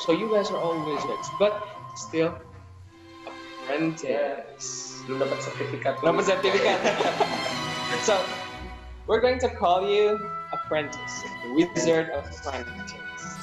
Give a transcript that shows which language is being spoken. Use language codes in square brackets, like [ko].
[en] So you guys are all wizards, but still apprentice. [id] Belum dapat sertifikat. Belum dapat sertifikat. [en] So we're going to call you apprentice, the wizard of apprentice.